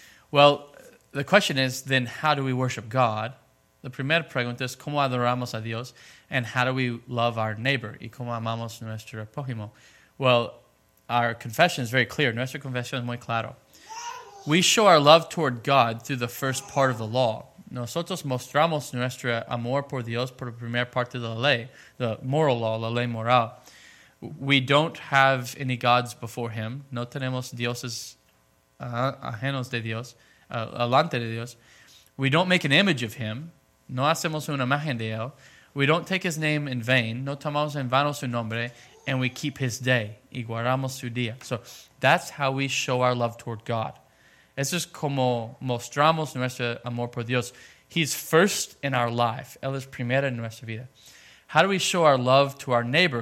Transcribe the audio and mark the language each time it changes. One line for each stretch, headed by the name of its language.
English: Well, the question is, then, how do we worship God?
Spanish: La primera pregunta es, ¿cómo adoramos a Dios?
English: And how do we love our neighbor?
Spanish: ¿Y cómo amamos nuestro prójimo?
English: Well, our confession is very clear.
Spanish: Nuestra confesión es muy claro.
English: We show our love toward God through the first part of the law.
Spanish: Nosotros mostramos nuestro amor por Dios por la primera parte de la ley,
English: the moral law,
Spanish: la ley moral.
English: We don't have any gods before him.
Spanish: No tenemos dioses ajenos de Dios, alante de Dios.
English: We don't make an image of him.
Spanish: No hacemos una imagen de él.
English: We don't take his name in vain.
Spanish: No tomamos en vano su nombre.
English: And we keep his day.
Spanish: Y guardamos su día.
English: So that's how we show our love toward God.
Spanish: Eso es como mostramos nuestro amor por Dios.
English: He's first in our life.
Spanish: Él es primero en nuestra vida.
English: How do we show our love to our neighbor?